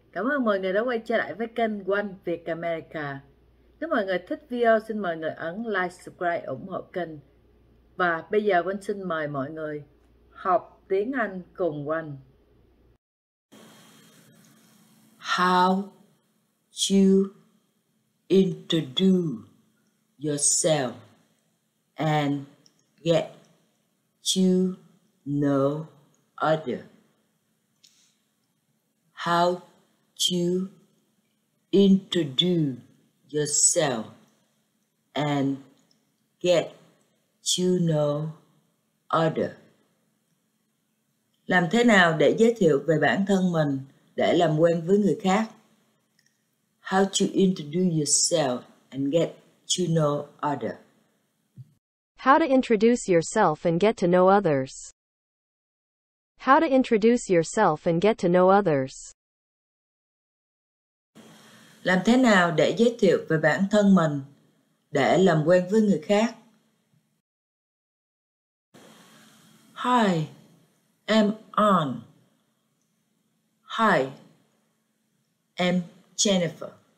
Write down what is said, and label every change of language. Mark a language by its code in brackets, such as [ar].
[vi] Cảm ơn mọi người đã quay trở lại với kênh Oanh Việt America. Nếu mọi người thích video, xin mọi người ấn like, subscribe, ủng hộ kênh. Và bây giờ Oanh xin mời mọi người học tiếng Anh cùng Oanh. [en] How you introduce yourself and get to know other. How to introduce yourself and get to know other. [vi] Làm thế nào để giới thiệu về bản thân mình để làm quen với người khác? [en] How to introduce yourself and get to know other. How to introduce yourself and get to know others. How to introduce yourself and get to know others. [vi] Làm thế nào để giới thiệu về bản thân mình để làm quen với người khác? [en] Hi, I'm Ann. Hi, I'm Jennifer.